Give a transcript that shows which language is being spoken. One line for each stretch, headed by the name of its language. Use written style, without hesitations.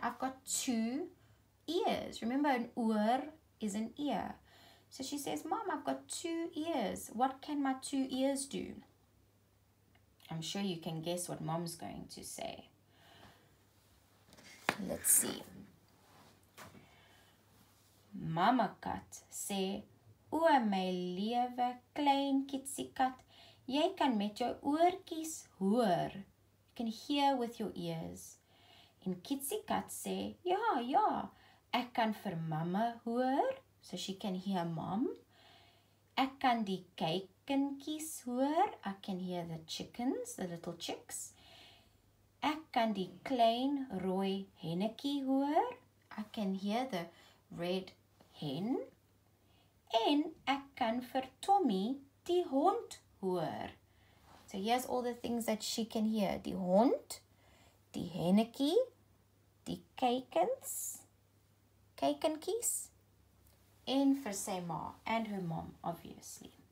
English: I've got two ears." Remember, an oor is an ear. So she says, "Mom, I've got two ears. What can my two ears do?" I'm sure you can guess what Mom's going to say. Let's see.
Afrikaans: Mama Kat sê, "O my lewe klein Kietsie Kat, jy kan met jou oortjies hoor."
English: You can hear with your ears.
Afrikaans: En Kietsie Kat sê, "Ja, ja, ek kan vir mamma hoor."
English: So she can hear Mom.
Afrikaans: "Ek kan die kuikentjies hoor."
English: I can hear the chickens, the little chicks.
Afrikaans: "Ek kan die klein rooi hennetjie hoor."
English: I can hear the red hen.
Afrikaans: "En ek kan vir Tommy die hond hoor."
English: So here's all the things that she can hear.
Afrikaans: Die hond, die hennetjie, die kuikentjies. En vir sy ma
English: and her mom, obviously.